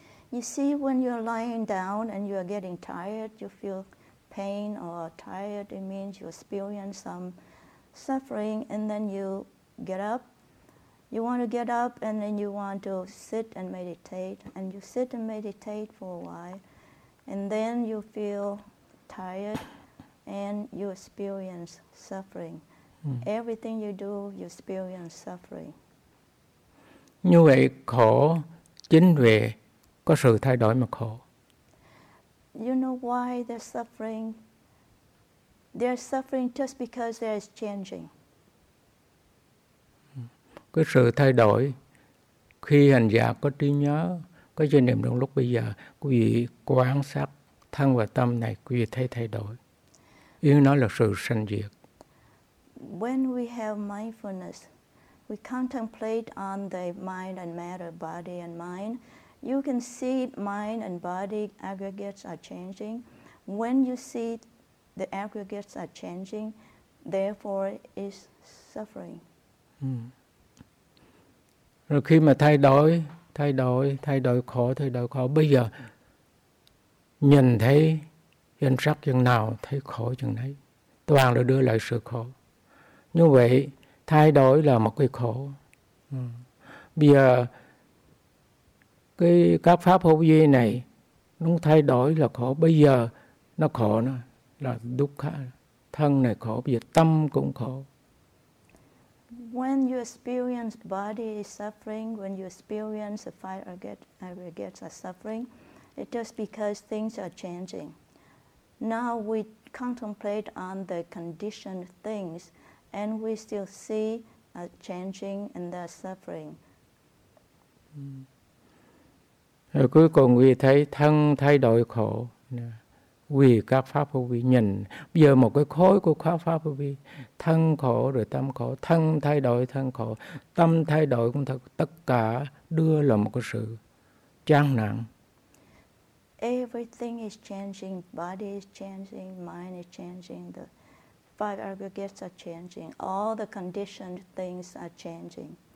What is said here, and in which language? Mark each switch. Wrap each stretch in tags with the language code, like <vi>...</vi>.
<en>You see, when you're lying down and you are getting tired, you feel pain or tired, it means you experience some suffering, and then you get up. You want to get up and then you want to sit and meditate, and you sit and meditate for a while, and then you feel tired and you experience suffering. Everything you do, you experience suffering.</en> <vi>Như vậy khổ chính vì có sự thay đổi mà khổ.</vi> <en>You know why they're suffering? They're suffering just because there is changing.</en> <vi>Cái sự thay đổi khi hành giả có trí nhớ, có chánh niệm trong lúc bây giờ, quý vị quan sát thân và tâm này, quý vị thấy thay đổi. Ý nó là sự sanh diệt.</vi> <en>When we have mindfulness, we contemplate on the mind and matter, body and mind. You can see mind and body aggregates are changing. When you see the aggregates are changing, therefore is suffering.</en> <vi>Rồi khi mà thay đổi khổ, bây giờ nhìn thấy danh sắc chừng nào, thấy khổ chừng nấy, toàn là đưa lại sự khổ. Như vậy, thay đổi là một cái khổ. Bây giờ, cái các pháp hữu duy này, nó thay đổi là khổ. Bây giờ, nó khổ nữa, là dukkha. Thân này khổ, bây giờ tâm cũng khổ.</vi> <en>When you experience body is suffering, when you experience the five aggregates are suffering, it's just because things are changing. Now we contemplate on the conditioned things, and we still see a changing and the suffering.</en> <vi>Rồi cuối cùng vì thấy thân thay đổi khổ, vì các pháp hữu vi nhìn, bây giờ một cái khối của các pháp hữu vi, thân khổ rồi tâm khổ, thân thay đổi thân khổ, tâm thay đổi cũng thật, tất cả đưa là một cái sự chán nặng.</vi> <en>Everything is changing, body is changing, mind is changing, the five aggregates are changing, all the conditioned things are changing.</en>